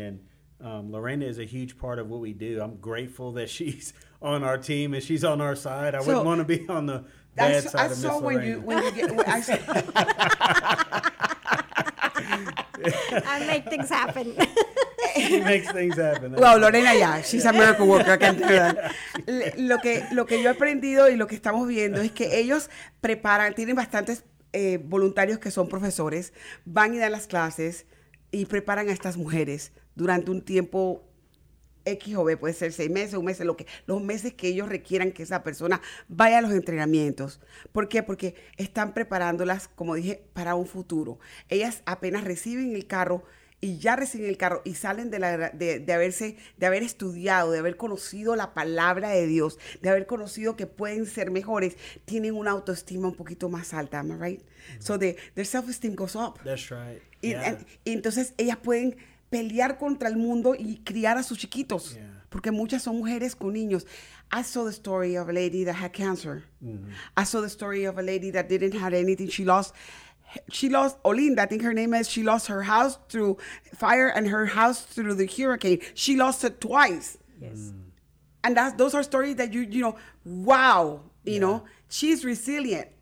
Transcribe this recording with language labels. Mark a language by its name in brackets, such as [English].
[English] And Lorena is a huge part of what we do. I'm grateful that she's on our team and she's on our side. I wouldn't want to be on the I saw when you get I make things happen. makes things happen. Well, Lorena, yeah, she's a miracle worker. I can't do that. [Spanish] Lo que yo he aprendido y lo que estamos viendo es que ellos preparan, tienen bastantes voluntarios que son profesores, van y dan las clases y preparan a estas mujeres durante un tiempo X o B, puede ser 6 meses, 1 mes, los meses que ellos requieran que esa persona vaya a los entrenamientos. ¿Por qué? Porque están preparándolas, como dije, para un futuro. Ellas apenas reciben el carro y ya reciben el carro y salen de haber estudiado, de haber conocido la palabra de Dios, de haber conocido que pueden ser mejores, tienen una autoestima un poquito más alta, [English] ¿am I right? Mm-hmm. So their self-esteem goes up. That's right. [Spanish] Y entonces ellas pueden pelear contra el mundo y criar a sus chiquitos. [English] Yeah. [Spanish] Porque muchas son mujeres con niños. [English] I saw the story of a lady that had cancer. Mm-hmm. I saw the story of a lady that didn't have anything. She lost Olinda, I think her name is. She lost her house through fire and her house through the hurricane. She lost it twice. Yes. Mm. And those are stories that you know, she's resilient.